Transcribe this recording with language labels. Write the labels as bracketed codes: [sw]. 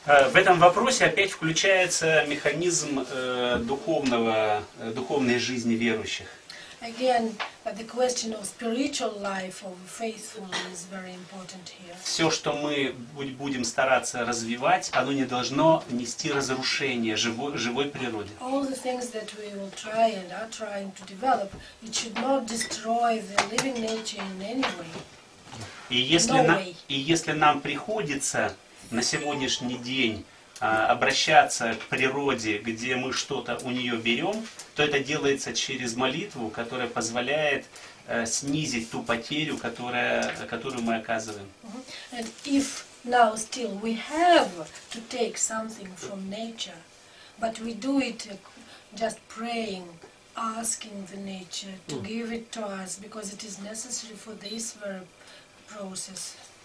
[ru] В этом вопросе опять включается механизм духовной жизни верующих. [en] Again, the question of spiritual life of faithfulness is very important here. [ru] Все, что мы будем стараться развивать, оно не должно нести разрушение живой природе. [en] All the things that we will try and are trying to develop, it should not destroy the living nature in any way. [ru] И если нам приходится на сегодняшний день обращаться к природе, где мы что-то у нее берем, то это делается через молитву, которая позволяет снизить ту потерю, которую мы оказываем. [en] And if now still we have to take something from nature, but we do it just praying, asking the nature to give it to us, because it is necessary for this very process.